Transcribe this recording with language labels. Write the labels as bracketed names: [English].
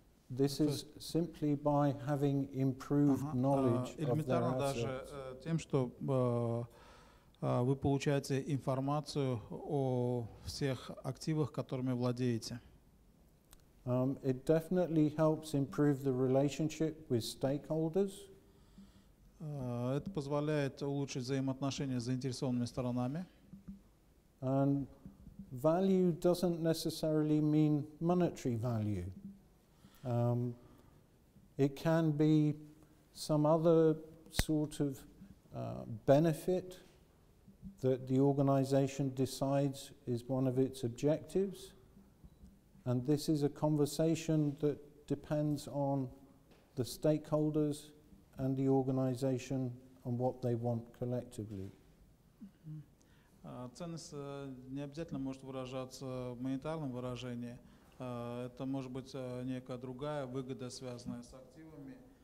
[English] This is simply by having improved knowledge of their assets. [Russian] Элементарно даже тем, что вы получаете информацию о всех активах, которыми владеете. [English] It definitely helps improve the relationship with stakeholders. [Russian] Это позволяет улучшить взаимоотношения с заинтересованными сторонами. [English] And value doesn't necessarily mean monetary value. It can be some other sort of benefit that the organization decides is one of its objectives. And this is a conversation that depends on the stakeholders and the organization and what they want collectively. [Russian] Ценность не обязательно может выражаться в монетарном выражении. Это может быть некая другая выгода, связанная с активами.